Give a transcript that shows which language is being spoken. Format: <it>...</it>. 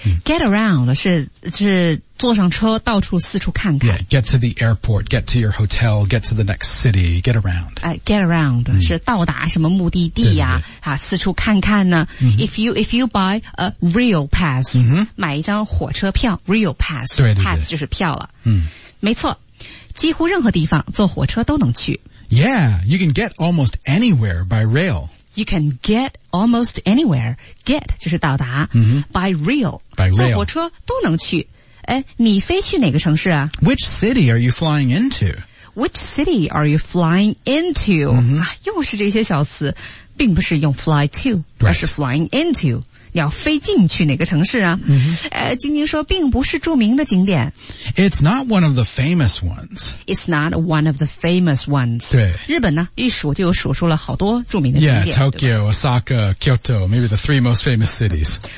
<en>Get around</en> <zh>是坐上车到处四处看看。</zh> <en>Yeah, get to the airport, get to your hotel, get to the next city, get around. Get around</en> <zh>是到达什么目的地呀、啊、四处看看呢。</zh> <en>If you buy a rail pass,、</en> <zh>买一张火车票</zh> <en>,rail pass,</en> <zh>对对对 pass 就是票了。没错几乎任何地方坐火车都能去。</zh> <en>Yeah, you can get almost anywhere by rail. You can get almost anywhere. Get</en> <zh>就是到达、</zh> <en>by rail. By rail.</en> <zh>坐火车都能去。诶你飞去哪个城市啊</zh> <en>?Which city are you flying into? Which city are you flying into?、</en> <zh>又是这些小词并不是用</zh> <en>fly to,、 right. 而是 flying into.</en> <zh>你要飞进去哪个城市啊、晶晶说并不是著名的景点。</zh> <en>It's not one of the famous ones. It's not one of the famous ones.</en> <zh>对。日本呢一数就数出了好多著名的景点。</zh> <en>Yeah, Tokyo, Osaka, Kyoto, maybe the three most famous cities.</en>